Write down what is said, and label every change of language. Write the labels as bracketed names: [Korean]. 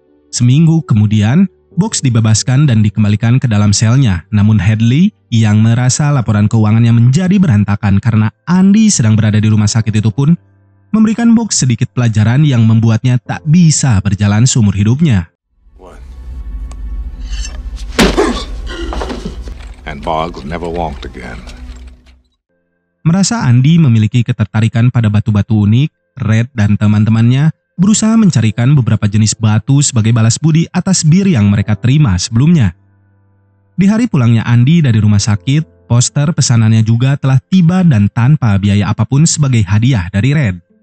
[Indonesian] Seminggu kemudian, Box dibebaskan dan dikembalikan ke dalam selnya. Namun Hadley, yang merasa laporan keuangannya menjadi berantakan karena Andi sedang berada di rumah sakit itu pun, memberikan Box sedikit pelajaran yang membuatnya tak bisa berjalan seumur hidupnya. [English] And Bog never walked again. [Indonesian] Merasa Andi memiliki ketertarikan pada batu-batu unik, Red dan teman-temannya berusaha mencarikan beberapa jenis batu sebagai balas budi atas bir yang mereka terima sebelumnya. Di hari pulangnya Andi dari rumah sakit, poster pesanannya juga telah tiba dan tanpa biaya apapun sebagai hadiah dari Red.